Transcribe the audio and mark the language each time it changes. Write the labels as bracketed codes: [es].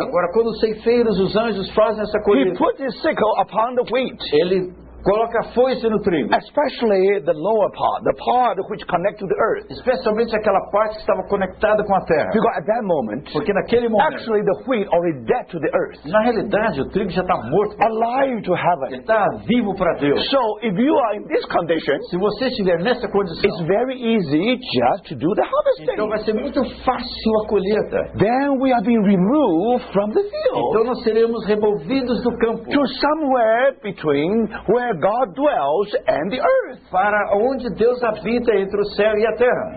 [pt] Agora quando os ceifeiros, os anjos fazem essa colheita. [en] He put his sickle upon the wheat. [pt] Ele Coloca a foice no trigo. [en] Especially the lower part, the part which connects to the earth. [pt] Especialmente aquela parte que estava conectada com a terra. [en] Because at that moment, [pt] porque naquele momento, [en] actually the wheat already dead to the earth. [pt] Na realidade, o trigo já está morto. [en] Alive to heaven. [pt] Ele está vivo para Deus. [en] So if you are in this condition, [pt] se você estiver nessa condição, [en] it's very easy just to do the harvesting. [pt] Então vai ser muito fácil a colheita. [en] Then we are being removed from the field. [pt] Então nós seremos removidos do campo. [en] To somewhere between where God dwells and the earth. [pt] Para onde Deus habita entre o céu e a terra.